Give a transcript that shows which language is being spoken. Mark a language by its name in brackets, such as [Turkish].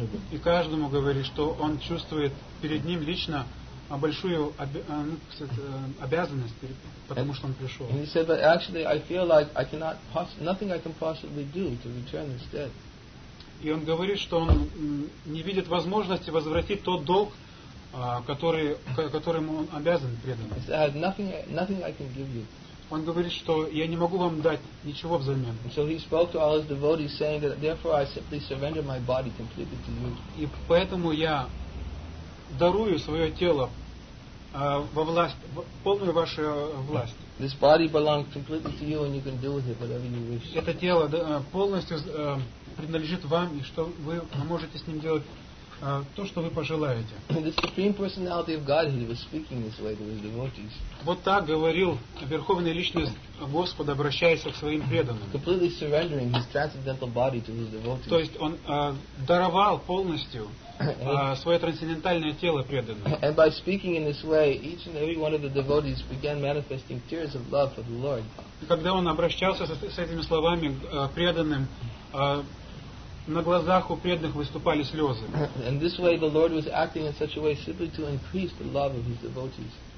[Russian] и каждому говорит, что он чувствует перед ним лично большую обязанность, потому что он пришел. [English] And he said, but actually I feel like I cannot nothing I can possibly do to return this debt. [Russian] И он говорит, что он не видит возможности возвратить тот долг, которому он обязан преданным. [English] He said, nothing I can give you. [Russian] Он говорит, что я не могу вам дать ничего взамен. [English] So he spoke to all his devotees, saying that therefore I simply surrender my body completely to you. [Russian] И поэтому я дарую свое тело во власть, полную вашу власть. [English] This body belongs completely to you, and you can do with it whatever you wish. [Russian] Это тело полностью принадлежит вам, и что вы можете с ним делать то, что вы пожелаете. [English] The Supreme Personality of Godhead was speaking this way to his devotees. [Russian] Вот так говорил Верховная Личность Господа, обращаясь к своим преданным. [English] Completely surrendering his transcendental body to his devotees. [Russian] То есть он даровал полностью свое трансцендентальное тело преданным. [English] And by speaking in this way, each and every one of the devotees began manifesting tears of love for the Lord. [Russian] Когда он обращался с этими словами к преданным, на глазах у преданных выступали слезы. [English] And this way the Lord was acting in such a way simply to increase the love of his devotees.